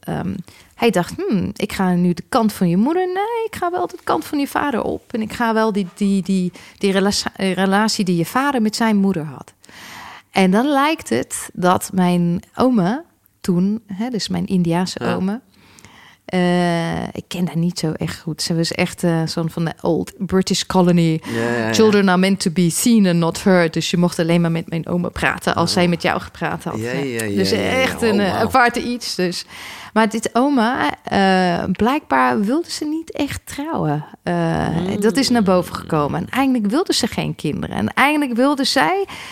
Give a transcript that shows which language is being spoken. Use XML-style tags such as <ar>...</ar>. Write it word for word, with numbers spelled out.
<nl>Um, hij dacht, hmm, ik ga nu de kant van je moeder... Nee, ik ga wel de kant van je vader op. En ik ga wel die, die, die, die relatie, relatie die je vader met zijn moeder had. En dan lijkt het dat mijn oma toen... Hè, dus mijn Indiase ja. oma... Uh, ik ken haar niet zo echt goed. Ze was echt uh, zo'n van de</nl> <en>old British colony.</en> <nl>Ja, ja, ja.</nl> <en>Children are meant to be seen and not heard.</en> <nl>Dus je mocht alleen maar met mijn oma praten als oh. zij met jou gepraat had. Ja, ja, ja, dus ja, ja, echt ja, een oh, wow. aparte iets. Dus. Maar dit oma, uh, blijkbaar wilde ze niet echt trouwen. Uh, mm. Dat is naar boven gekomen. En eigenlijk wilde ze geen kinderen. En eigenlijk wilde zij...</nl>